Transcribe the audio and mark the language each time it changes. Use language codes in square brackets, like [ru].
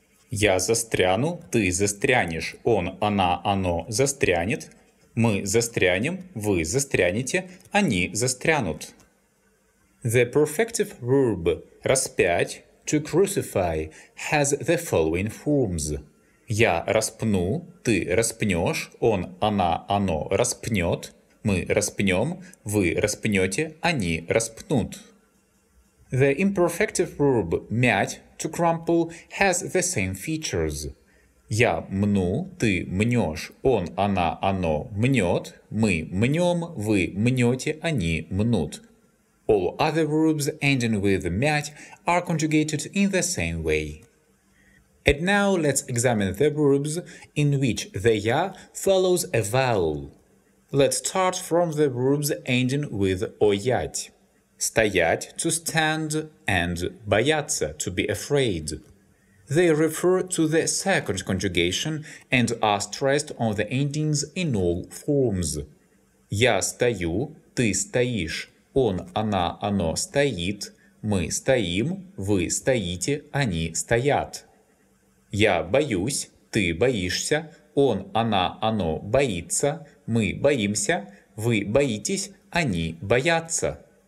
[ru] Я застряну, ты застрянешь, он, она, оно застрянет, мы застрянем, вы застрянете, они застрянут. [en] The perfective verb распять – to crucify – has the following forms. [ru] Я распну, ты распнешь, он, она, оно распнет, мы распнем, вы распнете, они распнут. [en] The imperfective verb мять, to crumple, has the same features. [ru] Я мну, ты мнёшь, он, она, оно мнёт, мы мнём, вы мнёте, они мнут. [en] All other verbs ending with мять are conjugated in the same way. And now let's examine the verbs in which the я follows a vowel. Let's start from the verbs ending with оять. Стоять – to stand, and бояться – to be afraid. They refer to the second conjugation and are stressed on the endings in all forms. [ru] Я стою, ты стоишь, он, она, оно стоит, мы стоим, вы стоите, они стоят. Я боюсь, ты боишься, он, она, оно боится, мы боимся, вы боитесь, они боятся.